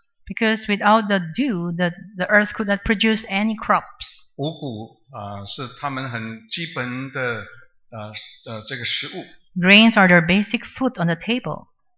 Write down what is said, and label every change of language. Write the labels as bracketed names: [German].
[English] Because without the dew, the earth could not produce any crops. [Chinese] 五谷是他们很基本的这个食物。 [English] Grains are their basic food on the table.